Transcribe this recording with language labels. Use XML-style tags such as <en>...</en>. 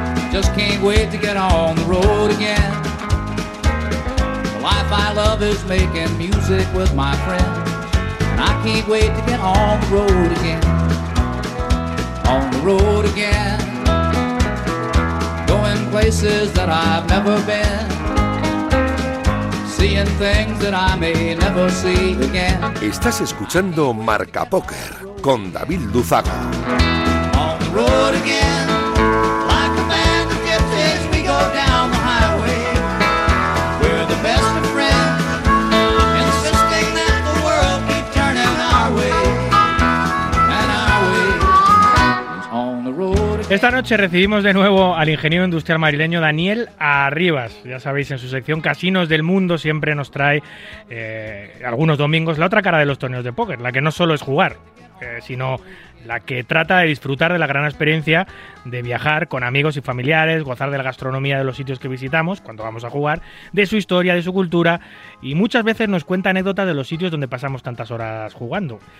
<en>Just can't wait to get on the road again. The life I love is making music with my friends. I can't wait to get on the road again. On the road again. Going places that I've never been. Seeing things that I may never see again.</en> <es>Estás escuchando Marca Póker con David Luzaga.</es> <en>On the road again. Like a band of gypsies we go down the highway. We're the best of friends. Insisting that the world keep turning our way. And our way. On the road again.</en> <es>Esta noche recibimos de nuevo al ingeniero industrial madrileño Daniel Arribas. Ya sabéis, en su sección Casinos del Mundo siempre nos trae algunos domingos la otra cara de los torneos de póker, la que no solo es jugar, sino la que trata de disfrutar de la gran experiencia de viajar con amigos y familiares, gozar de la gastronomía de los sitios que visitamos cuando vamos a jugar, de su historia, de su cultura, y muchas veces nos cuenta anécdotas de los sitios donde pasamos tantas horas jugando.</es>